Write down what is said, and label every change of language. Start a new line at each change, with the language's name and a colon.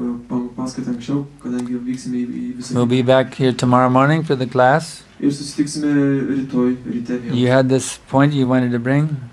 English: We'll be back here tomorrow morning for the class.
Lithuanian: Ir susitiksime rytoj ryte vėl.
English: You had this point you wanted to bring?